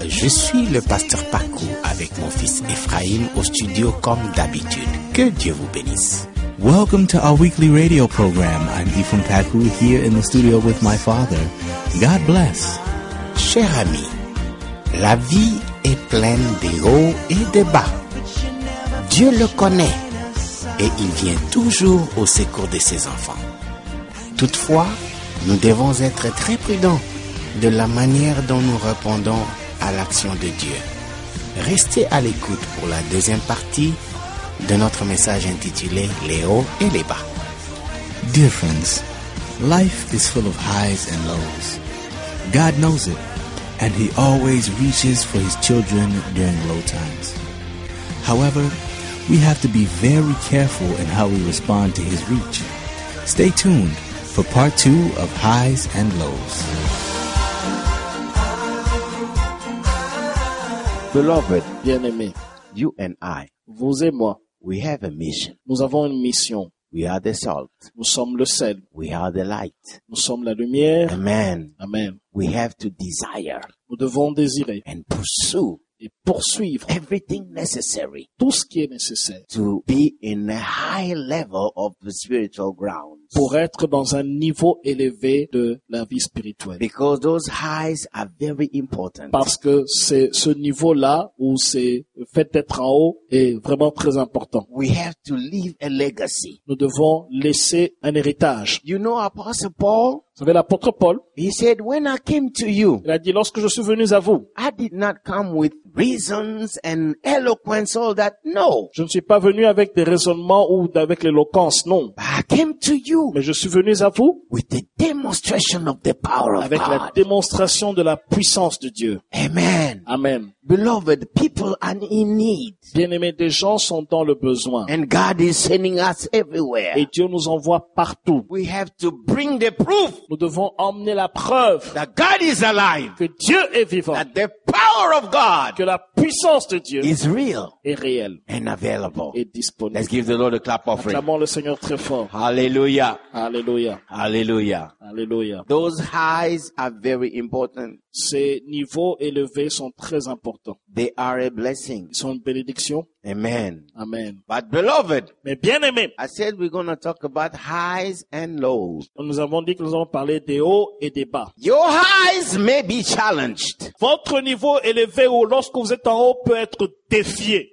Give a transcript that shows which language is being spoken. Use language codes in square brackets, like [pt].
[fr] Je suis le pasteur Paco avec mon fils Ephraim au studio comme d'habitude. Que Dieu vous bénisse. [en] Welcome to our weekly radio program. I'm Ephraim Paco here in the studio with my father. God bless. [fr] Chers amis, la vie est pleine de hauts et de bas. Dieu le connaît et il vient toujours au secours de ses enfants. Toutefois, nous devons être très prudents de la manière dont nous répondons à l'action de Dieu. Restez à l'écoute pour la deuxième partie de notre message intitulé « Les hauts et les bas ». [en] Dear friends, life is full of highs and lows. God knows it, and He always reaches for His children during low times. However, we have to be very careful in how we respond to His reach. Stay tuned for part two of Highs and Lows. Beloved, [fr] bien-aimé, [en] you and I, [fr] vous et moi, [en] we have a mission. [fr] Nous avons une mission. [en] We are the salt. [fr] Nous sommes le sel. [en] We are the light. [fr] Nous sommes la lumière. [en] Amen. [fr] Amen. [en] We have to desire. [fr] Nous devons désirer. [en] And pursue. [fr] Et poursuivre. [en] Everything necessary. [fr] Tout ce qui est nécessaire. [en] To be in a high level of the spiritual ground. [fr] Pour être dans un niveau élevé de la vie spirituelle. [en] Because those highs are very important. [fr] Parce que c'est ce niveau-là où c'est le fait d'être en haut est vraiment très important. [en] We have to leave a legacy. [fr] Nous devons laisser un héritage. [en] You know, Apostle Paul, [fr] vous savez, l'apôtre Paul, [en] he said, when I came to you, [fr] il a dit, lorsque je suis venu à vous, [en] I did not come with reasons and eloquence, all that. No. [fr] Je ne suis pas venu avec des raisonnements ou avec l'éloquence, non. [en] I came to you. [fr] Mais je suis venu à vous [en] with the demonstration of the power of God. [fr] Avec la démonstration de la puissance de Dieu. [en] Amen. [fr] Amen. [en] Beloved, people are in need. [fr] Bien-aimés, des gens sont dans le besoin. [en] And God is sending us everywhere. [fr] Et Dieu nous envoie partout. [en] We have to bring the proof. [fr] Nous devons emmener la preuve [en] that God is alive. [fr] Que Dieu est vivant. [en] That the power of God, [fr] que la puissance de Dieu [en] is real, [fr] est réelle [en] and available, [fr] et disponible. [en] Let's give the Lord a clap offering. [fr] Acclamons le Seigneur très fort. [en] Hallelujah. [fr] Hallelujah. [en] Hallelujah. [fr] Hallelujah. [en] Those highs are very important. [fr] Ces niveaux élevés sont très importants. [en] They are a blessing. [fr] Ils sont une bénédiction. [en] Amen. [fr] Amen. [en] But beloved, [fr] mais bien-aimé, [en] I said we're going to talk about highs and lows. [fr] Nous avons dit que nous allons parler des hauts et des bas. [en] Your highs may be challenged. [fr] Votre niveau élevé ou lorsque vous êtes en haut peut être défié.